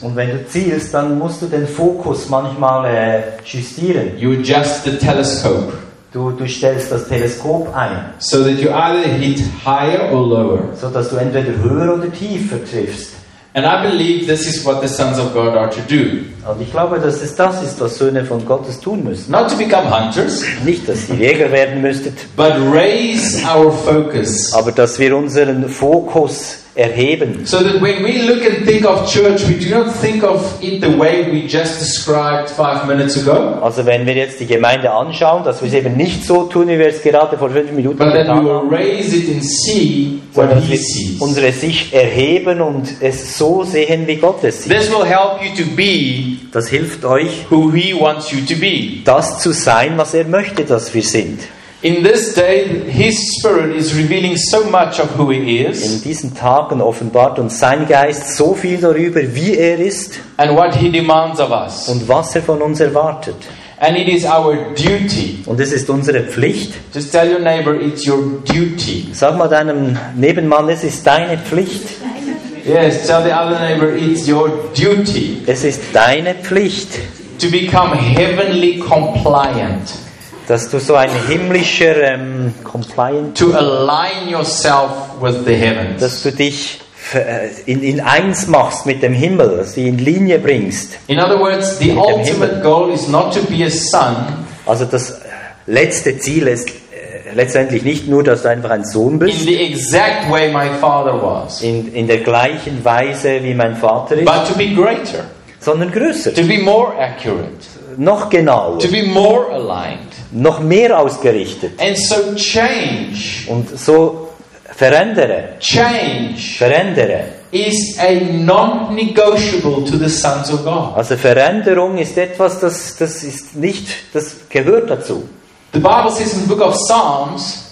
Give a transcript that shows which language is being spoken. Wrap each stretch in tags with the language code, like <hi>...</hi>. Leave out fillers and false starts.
<de>Und wenn du zielst, dann musst du den Fokus manchmal justieren.</de> <en>You adjust the telescope.</en> <de>Du stellst das Teleskop ein.</de> <en>So that you either hit higher or lower.</en> <de>So dass du entweder höher oder tiefer triffst.</de> <en>And I believe this is what the sons of God are to do.</en> <de>Und ich glaube, dass es das ist, was Söhne von Gottes tun müssen.</de> <en>Not to become hunters,</en> <de>nicht, dass ihr Jäger werden müsstet.</de> <en>But raise our focus.</en> <de>Aber dass wir unseren Fokus erheben.</de> <en>So that when we look and think of church, we do not think of it the way we just described 5 minutes ago.</en> <de>Also wenn wir jetzt die Gemeinde anschauen, dass wir es eben nicht so tun, wie wir es gerade vor 5 Minuten</de> <en>but</en> <de>getan haben.</de> <en>But then we will raise it and see what he sees.</en> <de>Unsere Sicht erheben und es so sehen, wie Gott es sieht.</de> <en>This will help you to be.</en> <de>Das hilft euch.</de> <en>Who he wants you to be.</en> <de>Das zu sein, was er möchte, dass wir sind.</de> <en>In this day, his spirit is revealing so much of who he is.</en> <de>In diesen Tagen offenbart uns sein Geist so viel darüber, wie er ist.</de> <en>And what he demands of us.</en> <de>Und was er von uns erwartet.</de> <en>And it is our duty.</en> <de>Und es ist unsere Pflicht.</de> <en>Just tell your neighbor, it's your duty.</en> <de>Sag mal deinem Nebenmann, es ist deine Pflicht.</de> <en>Yes, tell the other neighbor, it's your duty.</en> <de>Es ist deine Pflicht.</de> <en>To become heavenly compliant.</en> <de>Dass du so ein himmlischer compliant</de> <en>to align yourself with the heavens.</en> <de>Dass du dich in eins machst mit dem Himmel, dass du ihn in Linie bringst.</de> <en>In other words, the ultimate Himmel. Goal is not to be a son.</en> <de>Also das letzte Ziel ist letztendlich nicht nur, dass du einfach ein Sohn bist.</de> <en>In the exact way my father was.</en> <de>In der gleichen Weise wie mein Vater ist.</de> <en>But to be greater.</en> <de>Sondern größer.</de> <en>To be more accurate.</en> <de>Noch genauer.</de> <en>To be more aligned.</en> <de>Noch mehr ausgerichtet.</de> <en>And so change.</en> <de>Und so verändere.</de> <en>Change.</en> <de>Verändere.</de> <en>Is a non-negotiable to the sons of God.</en> <de>Also Veränderung ist etwas, das ist nicht, das gehört dazu.</de> <en>The Bible says in the book of Psalms.</en>